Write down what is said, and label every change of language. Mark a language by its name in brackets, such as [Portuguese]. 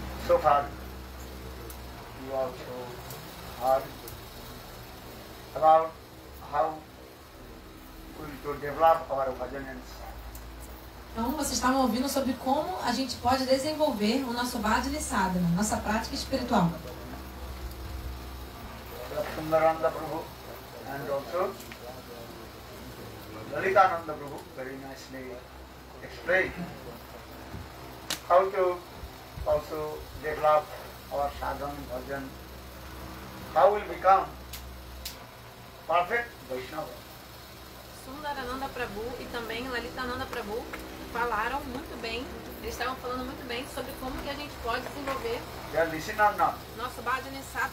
[English] So far, you also heard about how we to develop our bhajan and sang. [Portuguese] Então, vocês estavam ouvindo sobre como a gente pode desenvolver o nosso bhajan e sadhana, nossa prática espiritual. [English] Sundaranda Prabhu and also Lalitananda Prabhu very nicely explained how to also develop our sadhana bhajan, how we become perfect Vaishnava. [Portuguese] Sundarananda Prabhu e também Lalitananda Prabhu falaram muito bem, eles estavam falando muito bem sobre como que a gente pode desenvolver nosso bhajan e sadhana.